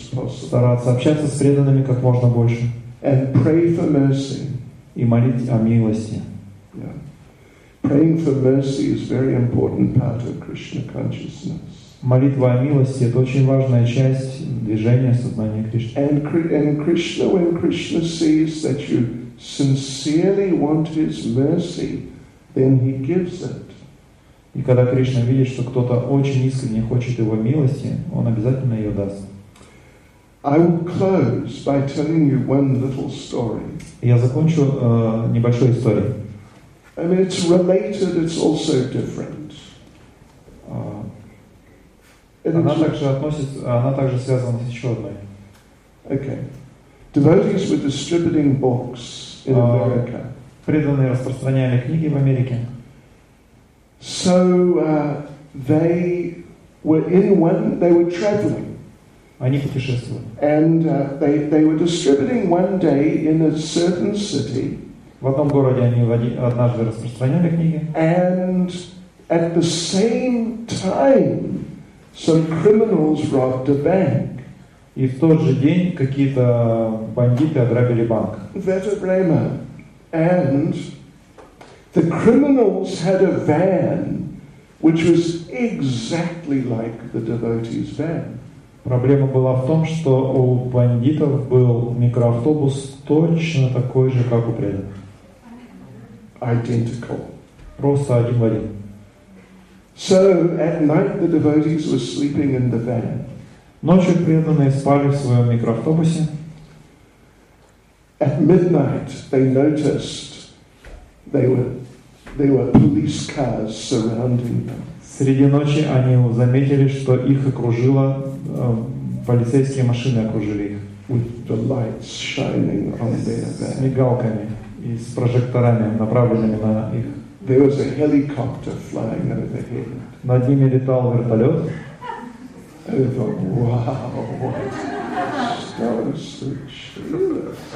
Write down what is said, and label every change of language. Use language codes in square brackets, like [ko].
[ru] Стараться общаться с преданными как можно больше. [en] And pray for mercy. [ru] И молить о милости. [en] Praying for mercy is very important part of Krishna consciousness. [ru] Молитва о милости — это очень важная часть движения сознания Кришны. [en] And Krishna, when Krishna sees that you sincerely want his mercy, then he gives it. [ru] И когда Кришна видит, что кто-то очень искренне хочет его милости, он обязательно ее даст. [en] I will close by telling you one little story. [ru] Я закончу небольшой историей. [en] I mean, it's related, it's also different. [ru] Она также связана с еще одной. [en] Okay. Devotees were distributing books in America. [ru] Преданные распространяли книги в Америке. [en] So they were in one. They were traveling. [ru] Они путешествовали. [en] And they were distributing one day in a certain city. [ru] В одном городе они однажды распространяли книги. [en] And at the same time, some criminals robbed a bank. [ru] И в тот же день какие-то бандиты ограбили банк. Ветабрема. [en] And the criminals had a van, which was exactly like the devotee's van. [ru] Проблема была в том, что у бандитов был микроавтобус точно такой же, как у преданных. [en] Identical. [ru] Просто один в один. [en] So at night the devotees were sleeping in the van. [ru] Ночью преданные спали в своем микроавтобусе. [en] At midnight they noticed there were police cars surrounding them. [ru] Среди ночи они заметили, что их окружила полицейские машины окружили их. [en] With the lights shining on their back. [ru] С мигалками и с прожекторами, направленными на их. [en] There was a helicopter flying overhead. [ru] Над ними летал вертолет. [en] And I thought, wow, that was so true.